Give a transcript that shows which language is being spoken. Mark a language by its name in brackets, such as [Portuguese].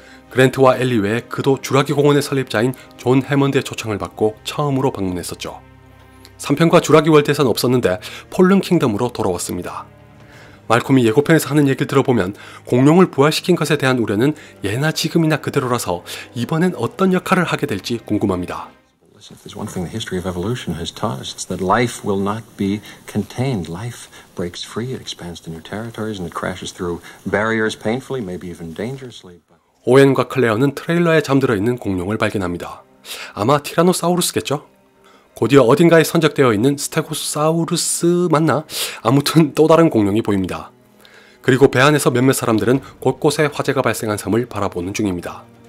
[Korean] 그랜트와 엘리 외에 그도 주라기 공원의 설립자인 존 해먼드의 초청을 받고 처음으로 방문했었죠. 3편과 주라기 월드에선 없었는데 폴룬 킹덤으로 돌아왔습니다. 말콤이 예고편에서 하는 얘기를 들어보면 공룡을 부활시킨 것에 대한 우려는 예나 지금이나 그대로라서 이번엔 어떤 역할을 하게 될지 궁금합니다. [English] If there's one thing the history of evolution has taught us, it's that life will not be contained. Life breaks free, it expands to new territories, and it crashes through barriers painfully, maybe even dangerously. [Korean] 오웬과 클레어는 트레일러에 잠들어 있는 공룡을 발견합니다. 아마 티라노사우루스겠죠? 곧이어 어딘가에 선적되어 있는 스테고사우루스 맞나? 아무튼 또 다른 공룡이 보입니다. 그리고 배 안에서 몇몇 사람들은 곳곳에 화재가 발생한 섬을 바라보는 중입니다.